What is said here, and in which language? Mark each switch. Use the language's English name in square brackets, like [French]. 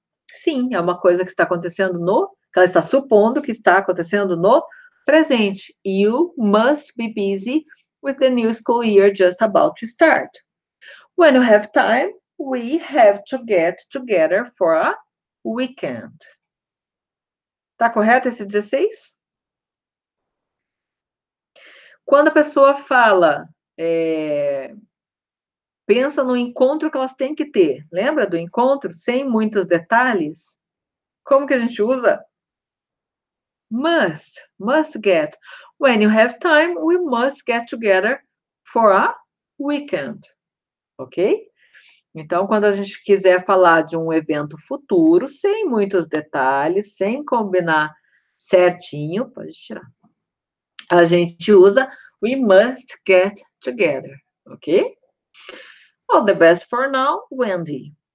[Portuguese] Sim, é uma coisa que está acontecendo no, que ela está supondo que está acontecendo no presente. [English] You must be busy with the new school year just about to start. When you have time, we have to get together for a weekend. [Portuguese] Tá correto esse 16? Quando a pessoa fala, pensa no encontro que elas têm que ter. Lembra do encontro? Sem muitos detalhes. Como que a gente usa? [English] Must get. When you have time, we must get together for a weekend. Ok? [Portuguese] Então, quando a gente quiser falar de um evento futuro, sem muitos detalhes, sem combinar certinho, pode tirar. A gente usa [English] we must get together, [Portuguese] ok? [English] All the best for now, Wendy.